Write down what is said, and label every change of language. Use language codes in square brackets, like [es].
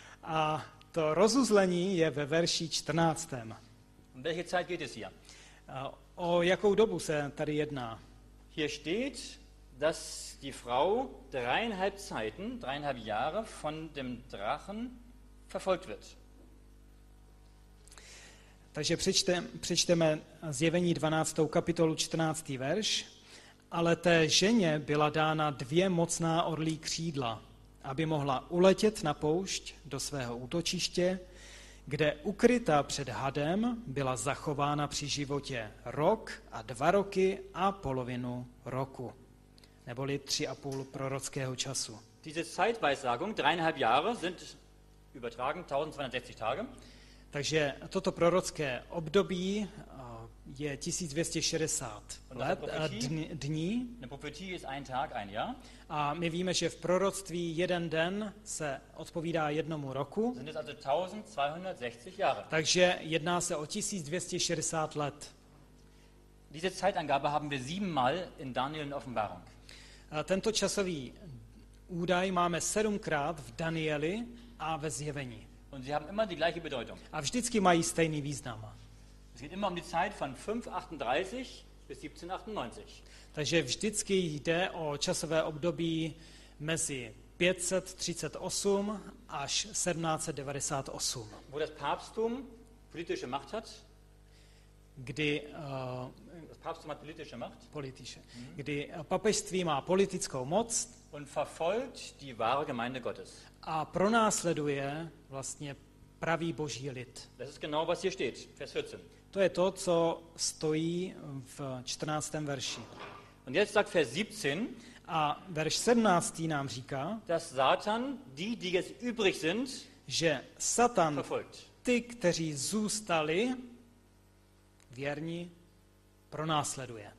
[cs] A to rozuzlení je ve verši 14. [de] Um welche Zeit geht es hier? [cs] O jakou dobu se tady jedná? [de] Hier steht, dass die Frau dreieinhalb Jahre von dem Drachen verfolgt wird. [cs] Takže přečteme Zjevení 12. kapitolu 14. verš. Ale té ženě byla dána dvě mocná orlí křídla, aby mohla uletět na poušť do svého útočiště, kde ukrytá před hadem byla zachována při životě rok a dva roky a polovinu roku. neboli 3,5 prorockého času. [de] Diese Zeitweissagung, 3,5 Jahre, sind übertragen 1260 Tage. [cs] Takže toto prorocké období je 1260 let, dní. [de] Eine Prophetie ist ein Tag, ein Jahr. [cs] A my víme, že v proroctví jeden den se odpovídá jednomu roku. [de] Sind es also 1260 Jahre. [cs] Takže jedná se o 1260 let. [de] Diese Zeitangabe haben wir 7-mal in Daniel in Offenbarung. [cs] Tento časový údaj máme 7-krát v Danieli a ve Zjevení. [de] Und sie haben immer die gleiche Bedeutung. [cs] A vždycky mají stejný význam. [de] Es geht immer um die Zeit von 538 bis 1798. [cs] Takže vždycky jde o časové období mezi 538 až 1798. [de] Wo das Papsttum politische Macht hat. [cs] Kdy [de] das Papsttum hat politische Macht. Politische. [cs] Kdy papežství má politickou moc. [de] Und verfolgt die wahre Gemeinde Gottes. [cs] A pronásleduje vlastně pravý boží lid. [de] Das ist genau was hier steht, Vers 14. [cs] To je to, co stojí v 14. verši. [de] Und jetzt sagt Vers 17, [cs] a verš 17. nám říká, [de] dass Satan die, die jetzt übrig sind, [cs] že Satan verfolgt. Ty, kteří zůstali věrní, pronásleduje.